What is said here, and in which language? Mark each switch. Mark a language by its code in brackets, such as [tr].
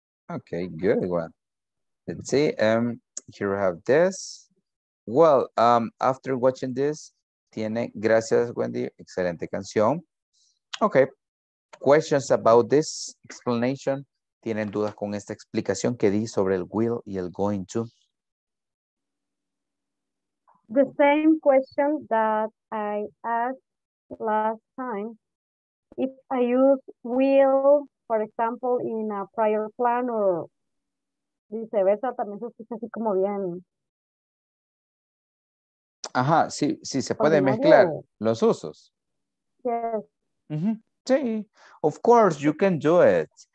[en] Okay, good one. Let's see. Here we have this. Well, after watching this, [es] tiene, gracias, Wendy, excelente canción. [en] Okay. Questions about this explanation. [es] ¿Tienen dudas con esta explicación que di sobre el will y el going to? [en] The same question that I asked last time. If I use will, for example, in a prior plan or viceversa, [es] también se escucha así como bien. Ajá, sí, sí, se puede mezclar los usos. [en] Yes. Mm-hmm. Sí, of course, you can do it.